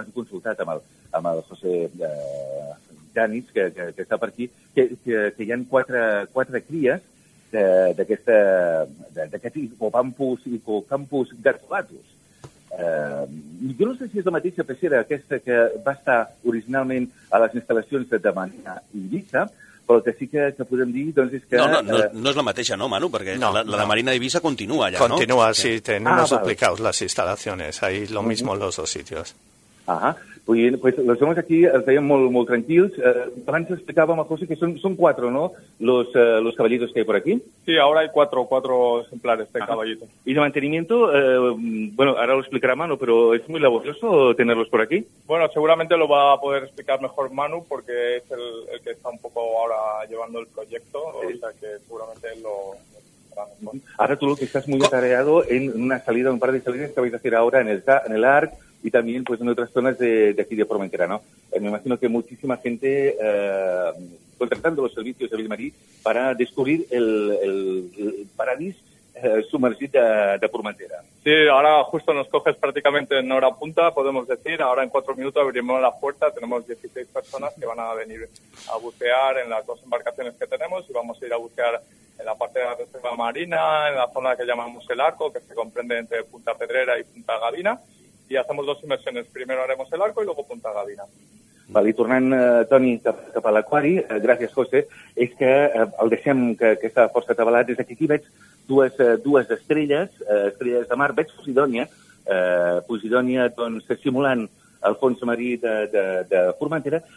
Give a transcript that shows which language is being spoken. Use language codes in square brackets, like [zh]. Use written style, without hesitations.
[ca] Abans he consultat amb el José Janis, que està per aquí, que hi ha quatre cries d'aquest hipocampus gatulatus. Jo no sé si és la mateixa pecera aquesta que va estar originalment a les instal·lacions de Manina i Ibiza, però el que sí que podem dir, doncs, és que... No, és la mateixa, no, Manu, perquè no, la de Marina d'Ibiza continua allà, continua, no? [es] Continua, sí, tenemos duplicados las instalaciones, ahí lo mismo en los dos sitios. [ca] Ajá, pues los hombres aquí els veiem molt, molt tranquils. Abans explicàvem a José que són quatre, no?, [es] los caballitos que hay por aquí. Sí, ahora hay cuatro ejemplares de caballito. Y de mantenimiento, bueno, ahora lo explicará Manu, pero es muy laborioso tenerlos por aquí. Bueno, seguramente lo va a poder explicar mejor Manu, porque es el que está un poco ahora llevando el proyecto, sí. O sea que seguramente lo... Ahora tú lo que estás muy atareado en una salida, un par de salidas que vais a hacer ahora en el ARC, y también pues en otras zonas de aquí de Formentera, ¿no? Me imagino que muchísima gente contratando los servicios de Vell Marí para descubrir [ca] el paradís submergit de Formentera. [es] Sí, ahora justo nos coges prácticamente en hora punta, podemos decir. Ahora en 4 minutos abrimos la puerta, tenemos 16 personas que van a venir a bucear en las 2 embarcaciones que tenemos, y vamos a ir a bucear en la parte de la reserva marina, en la zona que llamamos el arco, que se comprende entre Punta Pedrera y Punta Gavina, y hacemos 2 inmersiones. Primero haremos el arco y luego Punta Gavina. [ca] Vale, y tornant, Toni, cap a l'aquari, gracias, José, es que el deixem que està força atabalat. Des d'aquí veig dues estrelles, estrelles de mar. Veig Posidònia, Posidònia, doncs, simulant el fons marí de Formentera.